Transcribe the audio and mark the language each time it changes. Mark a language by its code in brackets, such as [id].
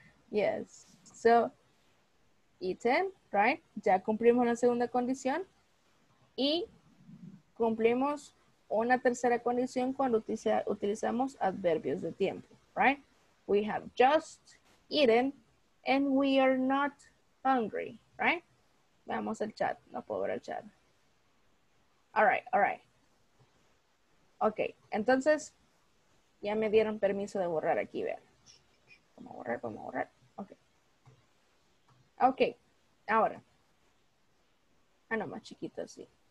[en] Yes. So, eaten, right? [es] Ya cumplimos la segunda condición. Y cumplimos una tercera condición cuando utilizamos adverbios de tiempo, [en] right? We have just eaten and we are not hungry, right? [es] Veamos el chat, no puedo ver el chat. [en] All right. [es] Ok, entonces ya me dieron permiso de borrar aquí, vean. Vamos a borrar. Ok, ahora. Ah, no, más chiquito así.